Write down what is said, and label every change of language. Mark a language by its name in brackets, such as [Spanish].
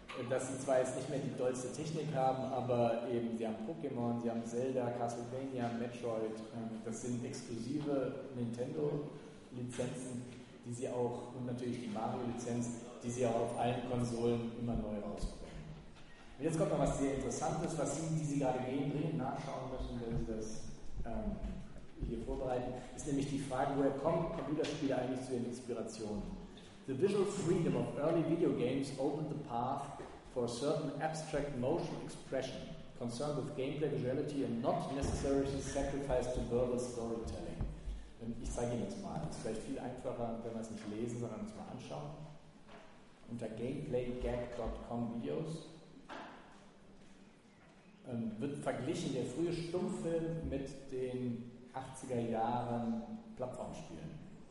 [German] dass sie zwar jetzt nicht mehr die dollste Technik haben, aber eben sie haben Pokémon, sie haben Zelda, Castlevania, Metroid, das sind exklusive Nintendo-Lizenzen, die sie auch, und natürlich die Mario-Lizenz, die sie auch auf allen Konsolen immer neu rausbringen. Und jetzt kommt noch was sehr Interessantes, was Sie, die Sie gerade gehen, drehen, nachschauen müssen, wenn Sie das hier vorbereiten, ist nämlich die Frage, woher kommen Computerspiele eigentlich zu ihren Inspirationen? [English] The visual freedom of early video games opened the path for a certain abstract motion expression concerned with gameplay visuality and not necessarily sacrificed to verbal storytelling. [German] Und ich zeige Ihnen das mal. Es ist vielleicht viel einfacher, wenn wir es nicht lesen, sondern uns mal anschauen. Unter gameplaygag.com Videos wird verglichen der frühe Stummfilm mit den 80er Jahren Plattformspielen.